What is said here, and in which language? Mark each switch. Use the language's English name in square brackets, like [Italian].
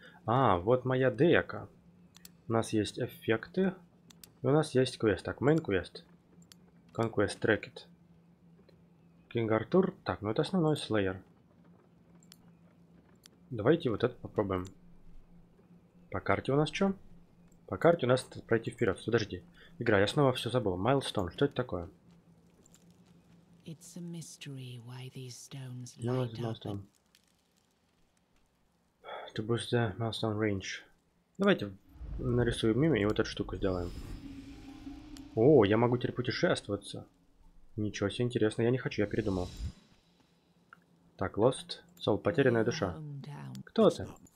[Russian] А, вот моя дека. У нас есть эффекты. И у нас есть квест. Так, main quest. [English] Conquest tracked. [Russian] King Arthur. Так, ну это основной слэйер. Давайте вот это попробуем. По карте у нас что? По карте у нас пройти вперед. Подожди. Игра, я снова все забыл. Milestone, что это такое? [English] It's a mystery why these stones light up. To boost the milestone range. [Russian] Давайте нарисуем мимо и вот эту штуку сделаем. О, я могу теперь путешествоваться. Ничего себе, интересно, я не хочу, я передумал. Так, [English] lost soul, [Russian] потерянная душа. Кто ты?